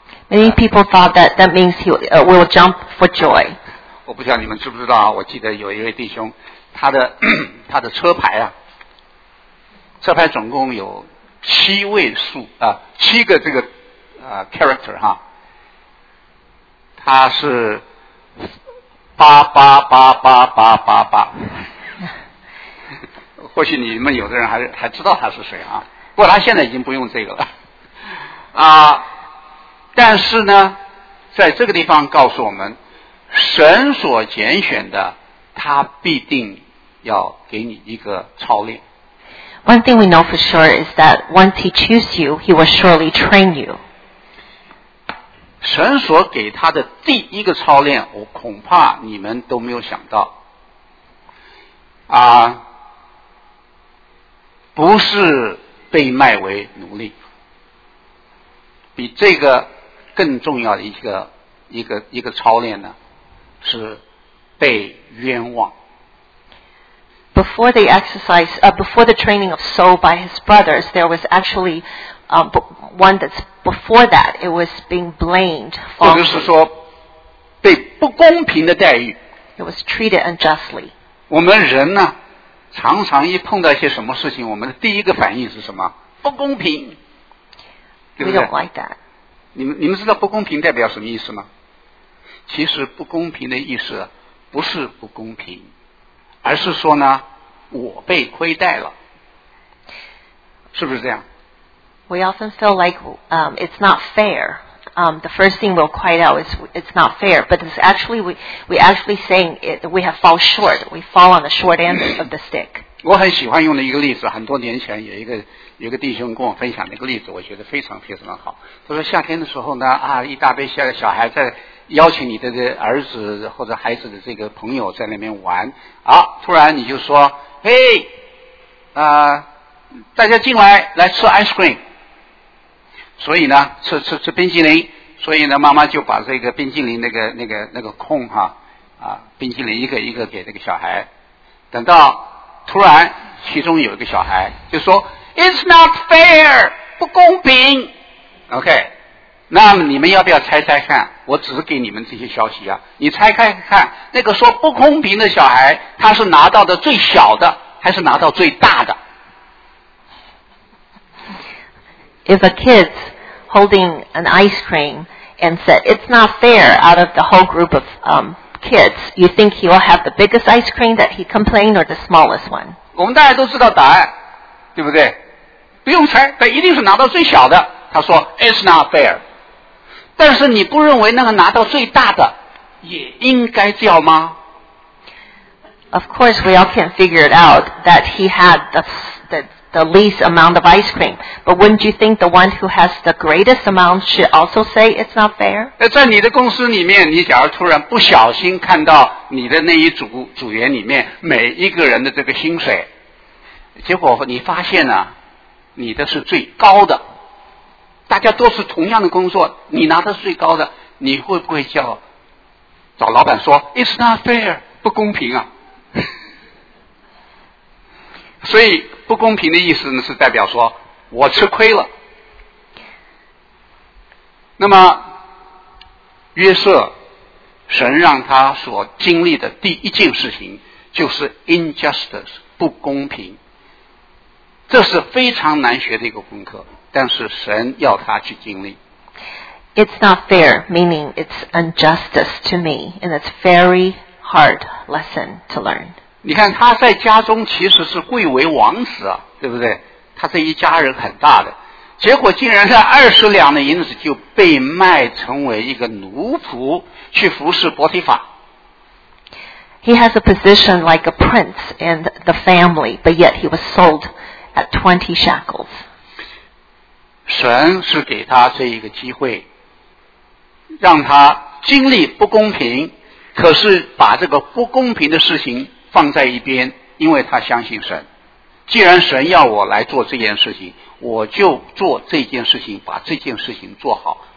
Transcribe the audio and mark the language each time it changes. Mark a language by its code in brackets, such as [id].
[en] Many people thought that means he will jump for joy. [zh] 我不知道你们知不知道，我记得有一位弟兄，他的车牌啊。车牌总共有七位数七个这个character 哈，他是八八八八八八八，或许你们有的人还知道他是谁啊，不过他现在已经不用这个了但是呢，在这个地方告诉我们，神所拣选的，他必定要给你一个操练。 [en] One thing we know for sure is that once he chooses you, he will surely train you. [zh] 神所给他的第一个操练，我恐怕你们都没有想到。不是被卖为奴隶。比这个更重要的一个操练呢，是被冤枉。 [en] Before the exercise, before the training of Saul by his brothers, there was actually one that's before that. It was being blamed for. [zh] 或者是说被不公平的待遇。 [en] It was treated unjustly. [zh] 我们人呢，常常一碰到一些什么事情，我们的第一个反应是什么？不公平。 [en] We don't like that. [zh] 你们知道不公平代表什么意思吗？其实不公平的意思不是不公平。而是说呢，我被亏待了，是不是这样 [en] ？We often feel like it's not fair. The first thing we'll cry out is it's not fair, but it's actually we actually saying it, we have fall short. We fall on the short end of the stick. [zh] 我很喜欢用的一个例子，很多年前有一个弟兄跟我分享那个例子，我觉得非常非常好。他说夏天的时候呢，一大堆小孩在。邀请你的这儿子或者孩子的这个朋友在那边玩啊，突然你就说嘿大家进来来吃 ice cream，所以呢吃冰淇淋，所以呢妈妈就把这个冰淇淋那个空哈冰淇淋一个给那个小孩，等到突然其中有一个小孩就说 [en] It's not fair， [zh] 不公平， OK，那么你们要不要猜猜看，我只是给你们这些消息啊，你猜猜看那个说不公平的小孩，他是拿到的最小的还是拿到最大的？ [en] If a kid holding an ice cream and said, it's not fair, out of the whole group of kids, you think he will have the biggest ice cream that he complained or the smallest one? [zh] 我们大家都知道答案，对不对？不用猜，他一定是拿到最小的。他说 [en] it's not fair。 [zh] 但是你不认为那个拿到最大的也应该叫吗？ [en] Of course we all can figure it out that he had the least amount of ice cream. But wouldn't you think the one who has the greatest amount should also say it's not fair? [zh] 在你的公司里面，你假如突然不小心看到你的那一组组员里面每一个人的这个薪水，结果你发现呢，你的是最高的，大家都是同样的工作，你拿的是最高的，你会不会叫找老板说 [en] it's not fair, [zh] 不公平啊？所以不公平的意思呢，是代表说我吃亏了。那么约瑟，神让他所经历的第一件事情就是 injustice, 不公平。这是非常难学的一个功课，但是神要他去经历。 [en] It's not fair, meaning it's injustice to me, and it's a very hard lesson to learn. [zh] 你看他在家中其实是贵为王子啊，对不对？他这一家人很大的，结果竟然在20两的银子就被卖成为一个奴仆去服侍波提法。 [en] He has a position like a prince in the family, but yet he was sold at 20 shekels. [zh] 神是给他这一个机会，让他经历不公平，可是把这个不公平的事情放在一边，因为他相信神。既然神要我来做这件事情，我就做这件事情，把这件事情做好。